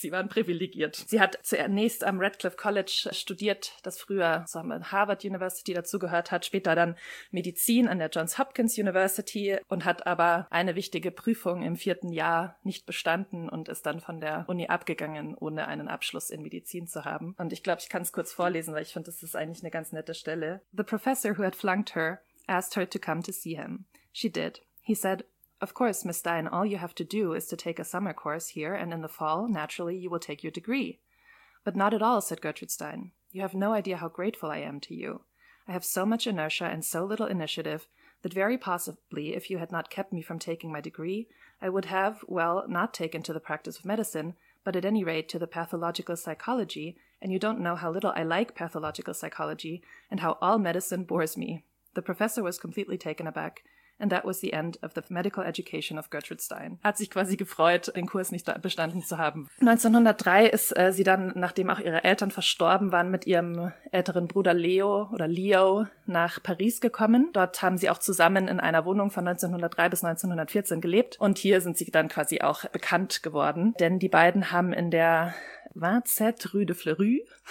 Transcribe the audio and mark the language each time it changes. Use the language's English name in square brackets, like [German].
[German] Sie waren privilegiert. Sie hat zunächst am Radcliffe College studiert, das früher so haben wir Harvard University dazugehört hat, später dann Medizin an der Johns Hopkins University und hat aber eine wichtige Prüfung im 4. Jahr nicht bestanden und ist dann von der Uni abgegangen, ohne einen Abschluss in Medizin zu haben. Und ich glaube, ich kann es kurz vorlesen, weil ich finde, das ist eigentlich eine ganz nette Stelle. [English] The professor who had flunked her asked her to come to see him. She did. He said, "Of course, Miss Stein, all you have to do is to take a summer course here, and in the fall, naturally, you will take your degree." "But not at all," said Gertrude Stein. "You have no idea how grateful I am to you. I have so much inertia and so little initiative that very possibly, if you had not kept me from taking my degree, I would have, well, not taken to the practice of medicine, but at any rate to the pathological psychology, and you don't know how little I like pathological psychology and how all medicine bores me." The professor was completely taken aback. And that was the end of the medical education of Gertrude Stein. [German] Hat sich quasi gefreut, den Kurs nicht bestanden zu haben. 1903 ist sie dann, nachdem auch ihre Eltern verstorben waren, mit ihrem älteren Bruder Leo nach Paris gekommen. Dort haben sie auch zusammen in einer Wohnung von 1903 bis 1914 gelebt. Und hier sind sie dann quasi auch bekannt geworden. Denn die beiden haben in der Vingtième Rue de Fleury.